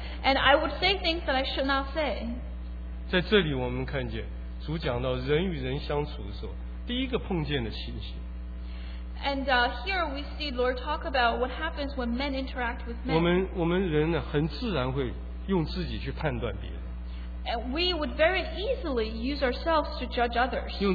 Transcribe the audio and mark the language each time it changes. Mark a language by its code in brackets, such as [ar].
[en] And I would say things that I should not say. [zh] 在这里我们看见主讲到人与人相处的时候，第一个碰见的情形。 [en] And here we see Lord talk about what happens when men interact with men. [zh] 我们人呢，很自然会用自己去判断别人。 [en] And we would very easily use ourselves to judge others.